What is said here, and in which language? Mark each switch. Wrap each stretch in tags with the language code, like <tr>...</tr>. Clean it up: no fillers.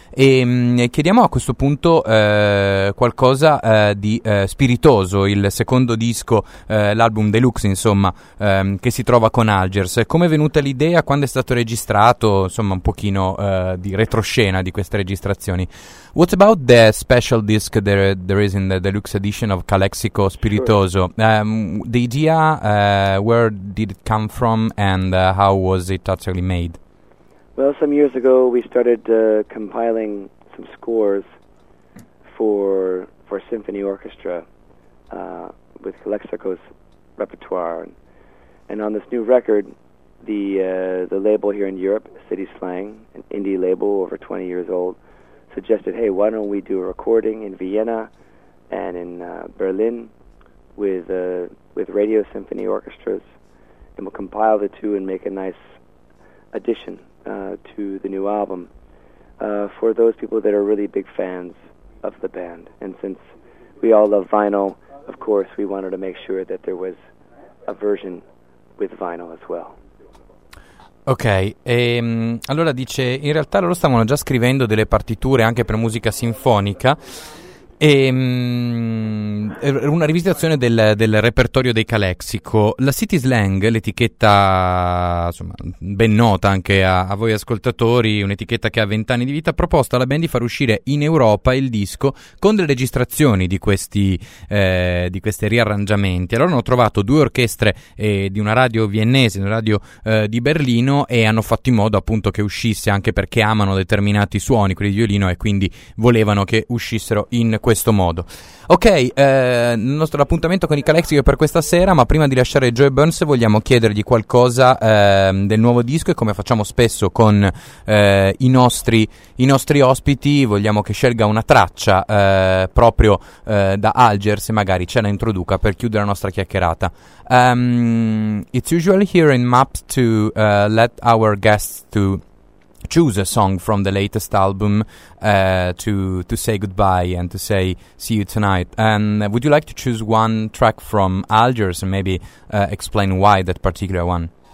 <it>E chiediamo a questo punto qualcosa di spiritoso, il secondo disco, l'album deluxe insomma, che si trova con Algiers. Come è venuta l'idea, quando è stato registrato, insomma un pochino di retroscena di queste registrazioni.</it> <en>What about the special disc there is in the deluxe edition of Calexico Spiritoso? Sure. The idea, where did it come from and how was it actually made? Well, some years ago we started compiling some scores for symphony orchestra with Calexico's repertoire. And on this new record, the label here in Europe, City Slang, an indie label over 20 years old, suggested, hey, why don't we do a recording in Vienna and in Berlin with radio symphony orchestras, and we'll compile the two and make a nice addition to the new album for those people that are really big fans of the band. And since we all love vinyl, of course, we wanted to make sure that there was a version with vinyl as well.</en> <it>Ok, allora dice, in realtà loro stavano già scrivendo delle partiture anche per musica sinfonica E, una rivisitazione del repertorio dei Calexico. La City Slang, l'etichetta insomma, ben nota anche a voi ascoltatori, un'etichetta che ha 20 anni di vita, ha proposto alla band di far uscire in Europa il disco con delle registrazioni di questi riarrangiamenti. Allora hanno trovato due orchestre di una radio viennese, una radio di Berlino, e hanno fatto in modo appunto che uscisse, anche perché amano determinati suoni, quelli di violino, e quindi volevano che uscissero in questo modo. Ok, il nostro appuntamento con i Calexico è per questa sera, ma prima di lasciare Joey Burns vogliamo chiedergli qualcosa del nuovo disco, e come facciamo spesso con i nostri ospiti, vogliamo che scelga una traccia proprio da Algiers, e magari ce la introduca per chiudere la nostra chiacchierata.</it> <en>It's usually here in MAPS to let our guests to choose a song from the latest album to say goodbye and to say see you tonight. And would you like to choose one track from Algiers and maybe explain why that particular one?</en>